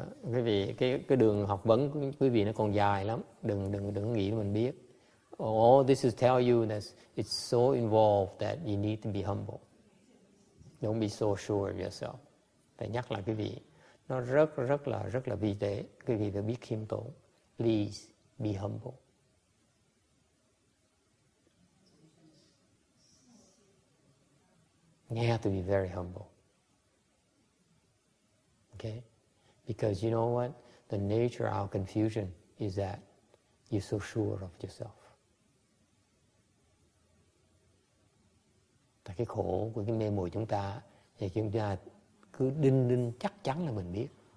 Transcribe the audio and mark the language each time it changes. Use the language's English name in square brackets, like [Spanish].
[Vietnamese] Quý vị cái đường học vấn của quý vị nó còn dài lắm. Đừng nghĩ mình biết. [English] All this is tell you that it's so involved that you need to be humble. Don't be so sure of yourself. [Vietnamese] Phải nhắc lại quý vị, nó rất rất là vi tế. Quý vị phải biết khiêm tốn. [English] Please be humble. You have to be very humble. Okay? Because you know what? The nature of our confusion is that you're so sure of yourself. [Vietnamese] Tại cái khổ của cái mê muội chúng ta thì chúng ta cứ đinh chắc chắn là mình biết.